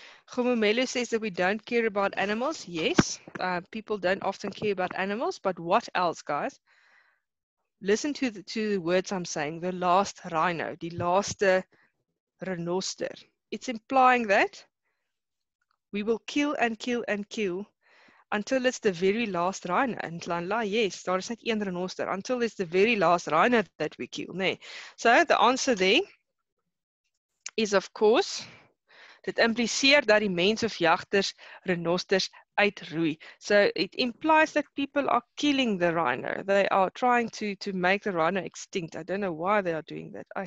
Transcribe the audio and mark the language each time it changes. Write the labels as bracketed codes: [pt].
[en] Gumumelo says that we don't care about animals. Yes, people don't often care about animals, but what else, guys? Listen to the words I'm saying. The last rhino, [af] die laaste Renoster. [en] It's implying that we will kill and kill and kill until it's the very last rhino. [af] And Lanla, yes, daar is net een renoster. [en] Until it's the very last rhino that we kill. [af] Nee. [en] So the answer there is, of course, [af] dit impliseer dat die mens of jagters renosters uitroei. [en] So it implies that people are killing the rhino. They are trying to make the rhino extinct. I don't know why they are doing that.